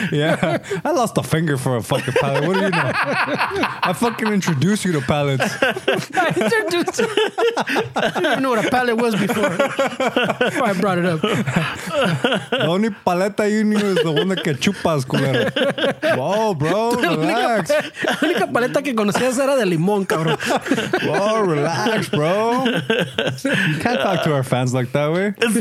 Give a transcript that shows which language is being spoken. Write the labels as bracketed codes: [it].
[en] Yeah, I lost a finger for a fucking pallet. What do you know? I fucking introduced you to pallets. I introduced you. You didn't know what a pallet was before I brought it up. The only paleta you knew is the one that chupas, culero. Whoa, bro, relax. [es] La única paleta que conocías era de limón, cabrón. [en] Whoa, relax, bro. You can't talk to our fans like that, way.